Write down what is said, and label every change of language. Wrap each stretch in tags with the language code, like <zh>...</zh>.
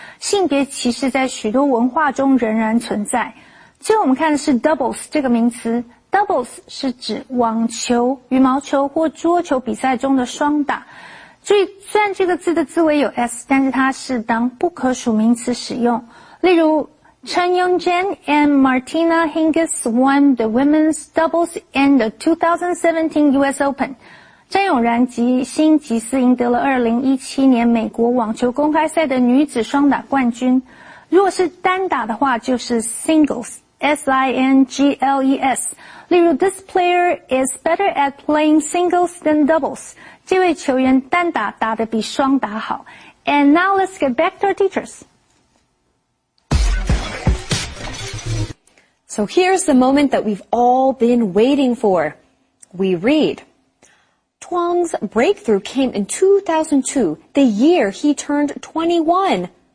<zh>性别歧视在许多文化中仍然存在。接着我们看的是 doubles 这个名词。doubles 是指网球、羽毛球或桌球比赛中的双打。所以虽然这个字的字尾有 s, 但是它是当不可数名词使用。例如</zh> <en>Chen Yongjian and Martina Hingis won the women's doubles in the 2017 U.S. Open.</en> <zh>詹永然及辛吉斯赢得了2017年美国网球公开赛的女子双打冠军。如果是单打的话就是 singles, S-I-N-G-L-E-S。例如</zh> <en>This player is better at playing singles than doubles.</en> <zh>这位球员单打打得比双打好。</zh> <en>And now let's get back to our teachers. So here's the moment that we've all been waiting for. We read, Tuang's breakthrough came in 2002, the year he turned 21.</en>